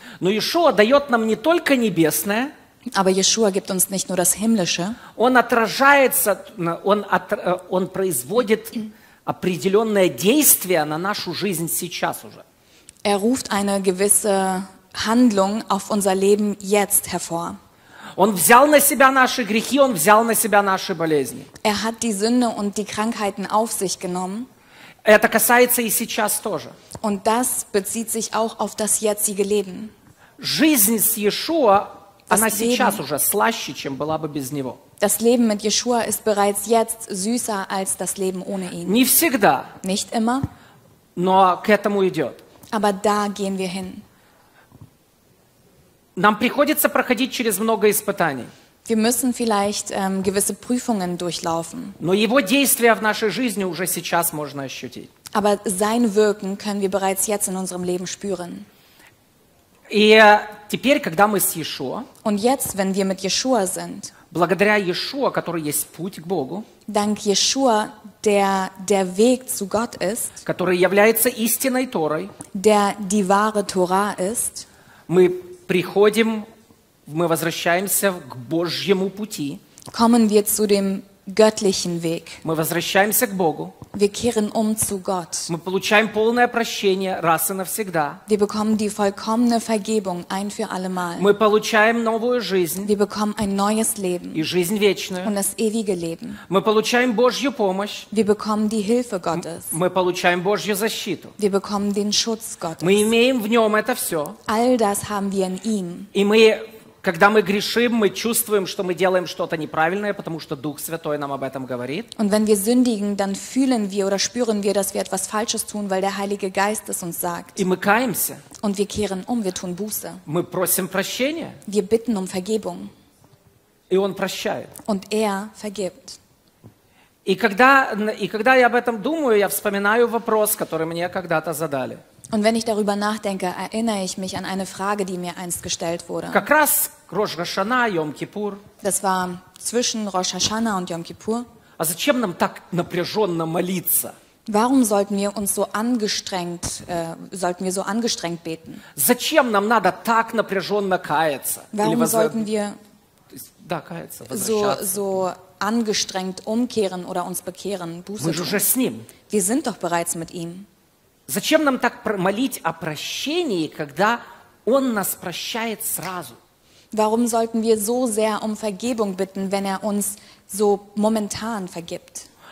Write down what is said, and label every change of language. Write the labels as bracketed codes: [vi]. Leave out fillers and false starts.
[ru] Но Иешуа даёт нам не только небесное. [de] Aber Yeshua gibt uns nicht nur das Himmlische. [ru] Он отражается, он производит определённое действие на нашу жизнь сейчас уже. [de] Er ruft eine gewisse Handlung auf unser Leben jetzt hervor. [ru] Он взял на себя наши грехи, он взял на себя наши болезни. [de] Er hat die Sünde und die Krankheiten auf sich genommen. [ru] Это касается и сейчас тоже. [de] Und das bezieht sich auch auf das jetzige Leben. [ru] Жизнь с Иешуа, она сейчас уже слаще, чем была бы без него. [de] Das Leben mit Yeshua ist bereits jetzt süßer als das Leben ohne ihn. [ru] Не всегда. [de] Nicht immer. [ru] Но к этому идет. [de] Aber da gehen wir hin. [ru] Нам приходится проходить через много испытаний. [de] Wir müssen vielleicht gewisse Prüfungen durchlaufen. [ru] Но его действия в нашей жизни уже сейчас можно ощутить. [de] Aber sein Wirken können wir bereits jetzt in unserem Leben spüren. [ru] И теперь, когда мы с Иешуа, [de] Und jetzt, wenn wir mit Yeshua sind, [ru] благодаря Иешуа, который есть путь к Богу, [de] dank Yeshua, der Weg zu Gott ist, [ru] который является истинной Торой, [de] der die wahre Tora ist, [ru] мы приходим, мы возвращаемся к Божьему пути, [de] kommen wir zu dem göttlichen Weg. [ru] Мы возвращаемся к Богу. [de] Wir kehren zu Gott. [ru] Мы получаем полное прощение раз и навсегда. [de] Wir bekommen die vollkommene Vergebung ein für alle Mal. [ru] Мы получаем новую жизнь. [de] Wir bekommen ein neues Leben. [ru] И жизнь вечную. [de] Und das ewige Leben. [ru] Мы получаем Божью помощь. [de] Wir bekommen die Hilfe Gottes. [ru] Мы получаем Божью защиту. [de] Wir bekommen den Schutz Gottes. [ru] Мы имеем в нем это все. [de] All das haben wir in ihm. [ru] И мы Когда мы грешим, мы чувствуем, что мы делаем что-то неправильное, потому что Дух Святой нам об этом говорит. [de] Und wenn wir sündigen, dann fühlen wir oder spüren wir, dass wir etwas Falsches tun, weil der Heilige Geist es uns sagt. [ru] И мы каемся. [de] Und wir kehren wir tun Buße. [ru] Мы просим прощения. [de] Wir bitten Vergebung. [ru] И Он прощает. [de] Und vergibt. [ru] И когда я об этом думаю, я вспоминаю вопрос, который мне когда-то задали. [de] Und wenn ich darüber nachdenke, erinnere ich mich an eine Frage, die mir einst gestellt wurde. [ru] Как раз Рош ха-Шана, Йом-Кипур. [de] Das war zwischen Rosh Hashanah und Yom Kippur. [ru] А зачем нам так напряженно молиться? [de] Warum sollten wir uns so angestrengt, beten? [ru] Зачем нам надо так напряженно каяться? [de] Warum sollten wir [ru] да, каяться, [de] so angestrengt umkehren oder uns bekehren, Buße [ru] tun? Мы же с ним. [de] Wir sind doch bereits mit ihm. [ru] Зачем нам так молить о прощении, когда он нас прощает сразу? [de] Warum sollten wir so sehr um Vergebung bitten, wenn er uns so momentan vergibt?